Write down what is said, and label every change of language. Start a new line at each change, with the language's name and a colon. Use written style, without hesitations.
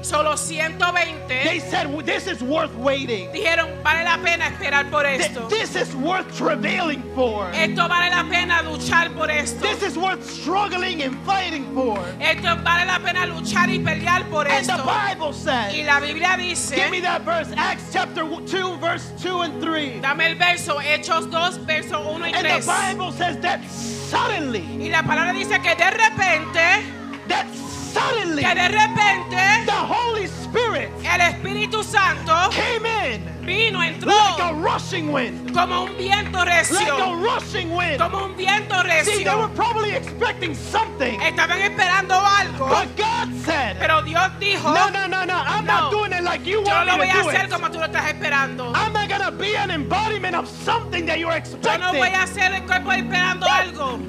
Spanish: Solo 120.
English: They said, "This is worth waiting."
Spanish: Dijeron, vale la pena esperar por esto.
English: This is worth travailing for.
Spanish: Esto vale la pena luchar por esto.
English: This is worth struggling and fighting for.
Spanish: Esto vale la pena luchar y pelear por esto.
English: And the Bible says.
Spanish: Y la Biblia dice.
English: Give me that verse, Acts chapter 2, verse 2 and 3.
Spanish: Dame el verso, Hechos 2, verso 1 y 3.
English: And the Bible says that suddenly.
Spanish: Y la palabra dice que de repente.
English: That suddenly.
Spanish: Que de repente.
English: The Holy Spirit.
Spanish: El Espíritu Santo.
English: Came in.
Spanish: Vino, entró.
English: Like a rushing wind.
Spanish: Como un viento recio.
English: Like a rushing wind.
Spanish: Como un viento recio.
English: See, they were probably expecting something.
Spanish: Estaban esperando algo.
English: But God said.
Spanish: Pero Dios dijo.
English: No. I'm not doing it like you want me to do it.
Spanish: Yo lo voy a hacer como tú lo estás esperando.
English: I'm not gonna be an embodiment of something that you're expecting.
Spanish: Yo no voy a ser el cuerpo esperando algo.